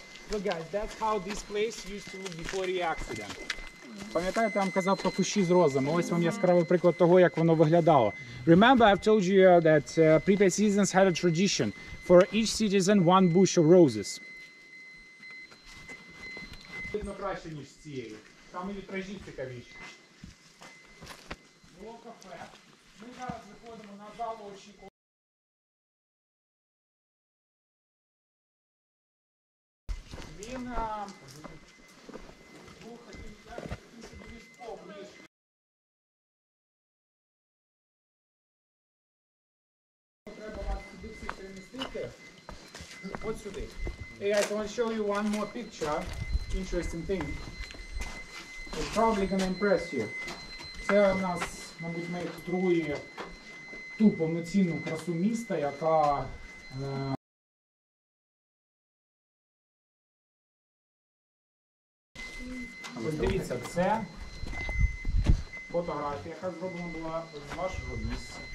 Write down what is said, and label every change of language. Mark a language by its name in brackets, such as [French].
[English] Look guys, that's how this place used to look before the accident. [Ukrainian] Пам'ятаєте, я вам казав про кущі з розами? Ось вам яскравий приклад того, як воно виглядало. [English] Remember, I've told you that Pripyat citizens had a tradition. For each citizen, one bush of roses. [Ukrainian] Видно краще, ніж з цією. Там і вітражі цікавіші. Було кафе. Ми зараз виходимо на залу очікування. Він був таким таким сподівістком. Треба вас сюди всі перемістити. От сюди. [English] Hey guys, I want to show you one more picture. Interesting thing. It's probably gonna impress you. [Ukrainian] Це у нас, мабуть, ми отримали ту повноцінну красу міста, яка... Ось дивіться, це фотографія, яка зроблена була з вашого місця.